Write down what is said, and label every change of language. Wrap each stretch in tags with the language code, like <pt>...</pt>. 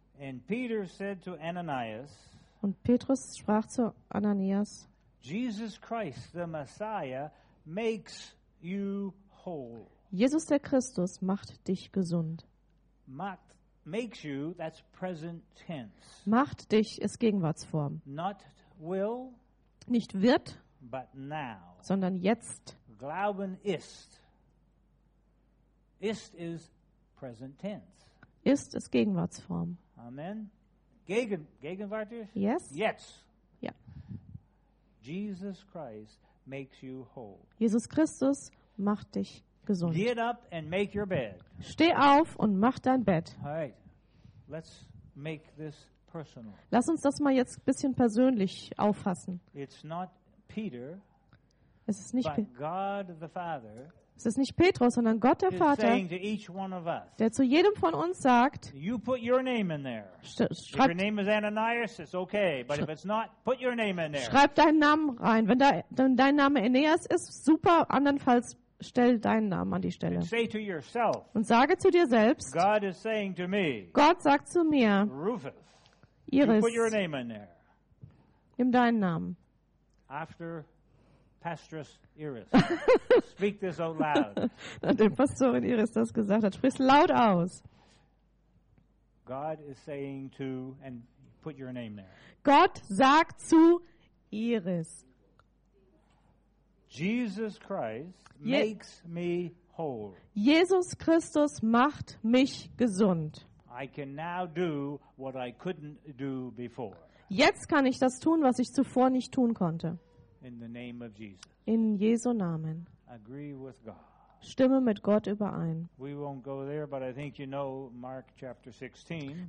<en>And Peter said to Ananias,</en> <de>und Petrus sprach zu Ananias,</de> <en>Jesus Christ, the Messiah, makes you whole.</en> <de>Jesus der Christus macht dich gesund.</de> <en>Makes you, that's present tense.</en> <de>Macht dich ist Gegenwartsform.</de> <en>Not will,</en> <de>nicht wird,</de> <en>but now,</en> <de>sondern jetzt. Glauben ist.</de> <en>Ist is present tense.</en> <de>Ist ist Gegenwartsform. Amen. Gegenwartisch?</de> <en>Yes.</en> <de>Jetzt. Ja.</de> <en>Jesus Christ makes you whole.</en> <de>Jesus Christus macht dich gesund.</de> <en>Get up and make your bed.</en> <de>Steh auf und mach dein Bett.</de> <en>All right. Let's make this personal.</en> <de>Lass uns das mal jetzt ein bisschen persönlich auffassen.</de> <en>It's not Peter,</en> <de>es ist nicht</de> <en>God the Father,</en> <de>es ist nicht Petrus, sondern Gott der Vater,</de> <en>us,</en> <de>der zu jedem von uns sagt,</de> <en>you put your name in there.</en> <de>Schreibt,</de> <en>if your name is Ananias, it's okay, but if it's not, put your name in there.</en> <de>Schreib deinen Namen rein. Wenn dein Name Aeneas ist, super, andernfalls stell deinen Namen an die Stelle.</de> <en>And say to yourself,</en> <de>und sage zu dir selbst,</de> <en>God is saying to me,</en> <de>Gott sagt zu mir, Rufus, Iris,</de> <en>you put your name in there.</en> <de>Nimm deinen Namen.</de> <en>After Pastoress Iris, speak this out loud.</en> <de>Nachdem Pastorin Iris das gesagt hat, sprich laut aus.</de> <en>God is saying to, and put your name there.</en> <de>Gott sagt zu Iris.</de> <en>Jesus Christ makes me whole.</en> <de>Jesus Christus macht mich gesund.</de> <en>I can now do what I couldn't do before.</en> <de>Jetzt kann ich das tun, was ich zuvor nicht tun konnte.</de> <en>In the name of Jesus.</en> <de>In Jesu Namen.</de> <en>Agree with God.</en> <de>Stimme mit Gott überein.</de> <en>We won't go there, but I think you know Mark chapter 16.</en>